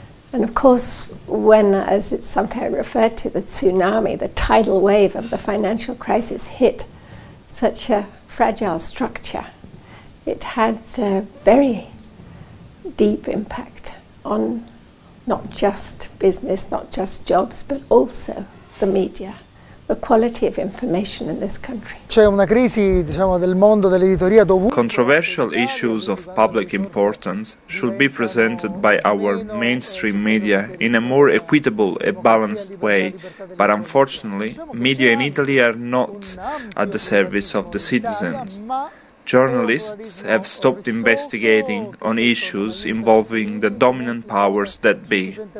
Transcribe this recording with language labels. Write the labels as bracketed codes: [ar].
[en] And of course, when, as it's sometimes referred to, the tsunami, the tidal wave of the financial crisis hit such a fragile structure, it had a very deep impact on not just business, not just jobs, but also the media, the quality of information in this country. [it] C'è una crisi, diciamo, del mondo dell'editoria dovuta. [en] Controversial issues of public importance should be presented by our mainstream media in a more equitable and balanced way. But unfortunately, media in Italy are not at the service of the citizens. Journalists have stopped investigating on issues involving the dominant powers that be.